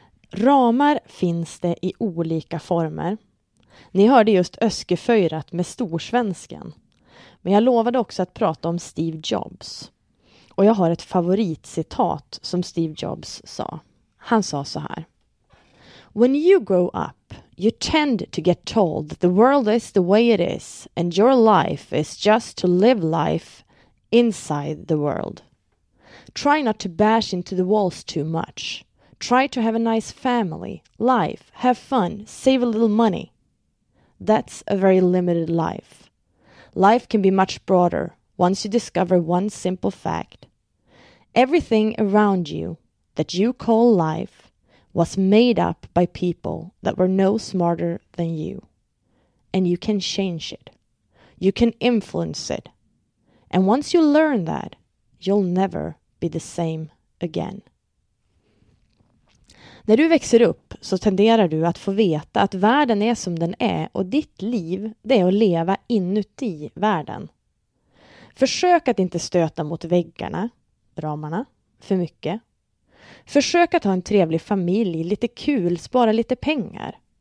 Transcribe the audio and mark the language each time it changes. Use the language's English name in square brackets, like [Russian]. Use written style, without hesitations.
[Swedish] Ramar finns det i olika former. Ni hörde just Öskeföyrat med storsvensken. Men jag lovade också att prata om Steve Jobs. Och jag har ett favoritcitat som Steve Jobs sa. Han sa så här: [English] When you grow up, you tend to get told that the world is the way it is and your life is just to live life inside the world. Try not to bash into the walls too much. Try to have a nice family, life, have fun, save a little money. That's a very limited life. Life can be much broader once you discover one simple fact. Everything around you that you call life was made up by people that were no smarter than you. And you can change it. You can influence it. And once you learn that, you'll never be the same again. [Swedish] När du växer upp så tenderar du att få veta att världen är som den är och ditt liv, det är att leva inuti världen. Försök att inte stöta mot väggarna, ramarna, för mycket. Försök att ha en trevlig familj, lite kul, spara lite pengar.